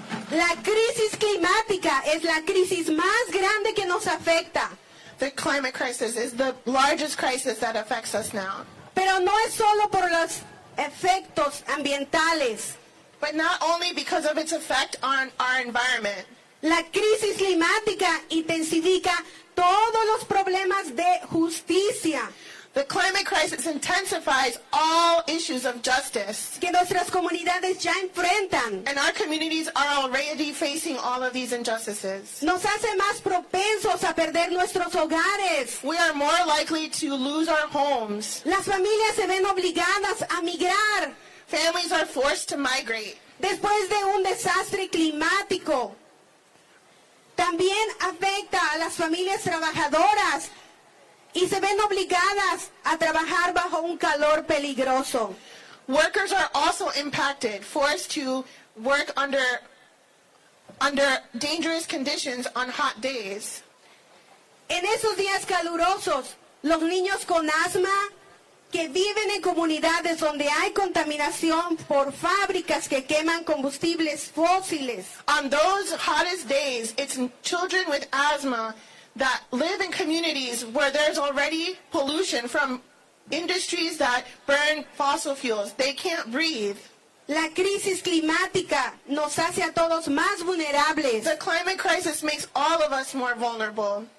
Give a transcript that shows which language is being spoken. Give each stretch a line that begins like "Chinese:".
Spanish: La crisis climática es la crisis más grande que nos afecta.
English: The climate crisis is the largest crisis that affects us now.
Spanish: Pero no es solo por los efectos ambientales.
English: But not only because of its effect on our environment.
Spanish: La crisis climática intensifica todos los problemas de justicia.
English: The climate crisis intensifies all issues of justice.
Spanish: Que nuestras comunidades ya enfrentan.
English: And our communities are already facing all of these injustices.
Spanish: Nos hace más propensos a perder nuestros hogares.
English: We are more likely to lose our homes.
Spanish: Las familias se ven obligadas a migrar.
English: Families are forced to migrate.
Spanish: Después de un desastre climático. También afecta a las familias trabajadoras y se ven obligadas a trabajar bajo un calor peligroso.
English: Workers are also impacted, forced to work under dangerous conditions on hot days.
Spanish: En esos días calurosos, los niños con asma que viven en comunidades donde hay contaminación por fábricas que queman combustibles fósiles.
English: On those hottest days, it's children with asthma that live in communities where there's already pollution from industries that burn fossil fuels. They can't breathe.
Spanish: La crisis climática nos hace a todos más vulnerables.
English: The climate crisis makes all of us more vulnerable.